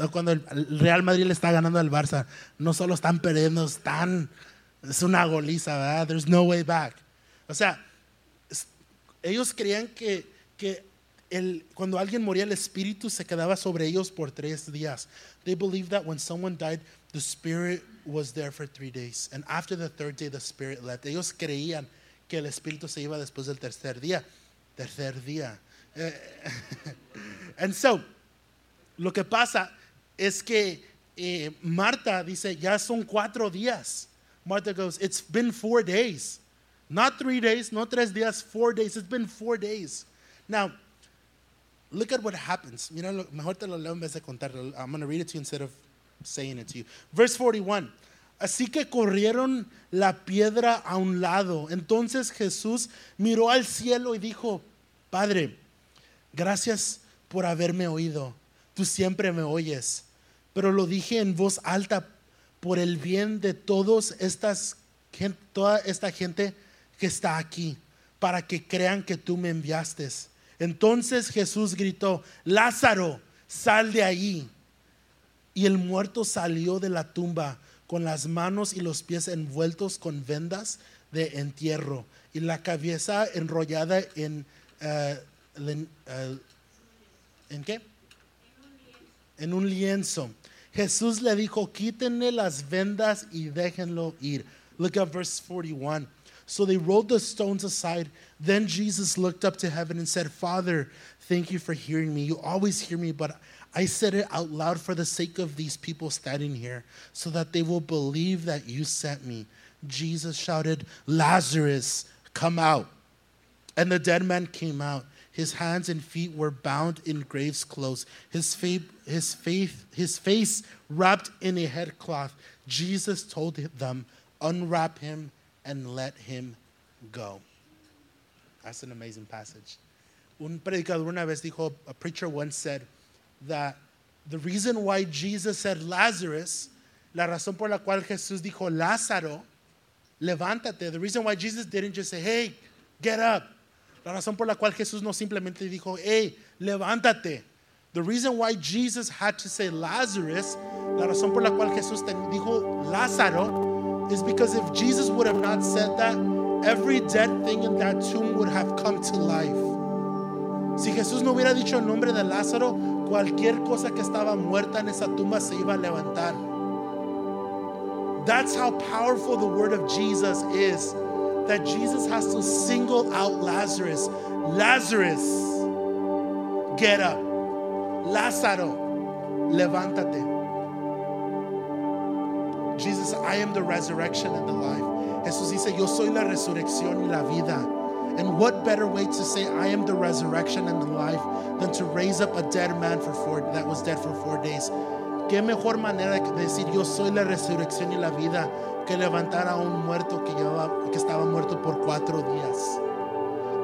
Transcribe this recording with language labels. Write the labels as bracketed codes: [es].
[es] Cuando el Real Madrid le está ganando al Barça. No solo están perdiendo, están. Es una goliza, ¿verdad? [en] There's no way back. [es] O sea, ellos creían que cuando alguien moría, el espíritu se quedaba sobre ellos por 3 días. [en] They believed that when someone died, the spirit was there for 3 days. And after the 3rd day, the spirit left. [es] Ellos creían que el espíritu se iba después del tercer día. Tercer día. [en] And so, [es] lo que pasa es que Marta dice, ya son 4 días. [en] Marta goes, it's been 4 days. Not 3 days, [es] no 3 días, [en] 4 days. It's been 4 days. Now, look at what happens. [es] Mira, mejor te lo leo en vez de contarlo. [en] I'm going to read it to you instead of saying it to you. Verse 41. [es] Así que corrieron la piedra a un lado. Entonces Jesús miró al cielo y dijo, Padre, gracias por haberme oído. Tú siempre me oyes. Pero lo dije en voz alta por el bien de toda esta gente que está aquí, para que crean que tú me enviaste. Entonces Jesús gritó, Lázaro, sal de ahí. Y el muerto salió de la tumba con las manos y los pies envueltos con vendas de entierro y la cabeza enrollada en ¿en qué? En un lienzo. Jesús le dijo, quítenle las vendas y déjenlo ir. [en] Look at verse 41. So they rolled the stones aside. Then Jesus looked up to heaven and said, Father, thank you for hearing me. You always hear me, but I said it out loud for the sake of these people standing here so that they will believe that you sent me. Jesus shouted, Lazarus, come out. And the dead man came out. His hands and feet were bound in grave's clothes. His face wrapped in a head cloth. Jesus told them, unwrap him and let him go. That's an amazing passage. [es] Un predicador una vez dijo, [en] a preacher once said, that the reason why Jesus said Lazarus, [es] la razón por la cual Jesús dijo Lázaro, levántate, [en] the reason why Jesus didn't just say, hey, get up. [es] La razón por la cual Jesús no simplemente dijo, hey, levántate. [en] The reason why Jesus had to say Lazarus, [es] la razón por la cual Jesús dijo Lázaro, [en] is because if Jesus would have not said that, every dead thing in that tomb would have come to life. [es] Si Jesús no hubiera dicho el nombre de Lázaro, cualquier cosa que estaba muerta en esa tumba se iba a levantar. [en] That's how powerful the word of Jesus is. That Jesus has to single out Lazarus. Lazarus, get up. [es] Lázaro, levántate. [en] Jesus, I am the resurrection and the life. [es] Jesús dice, yo soy la resurrección y la vida. [en] And what better way to say I am the resurrection and the life than to raise up a dead man that was dead for 4 days? [es] ¿Qué mejor manera de decir yo soy la resurrección y la vida que levantar a un muerto que estaba muerto por 4 días?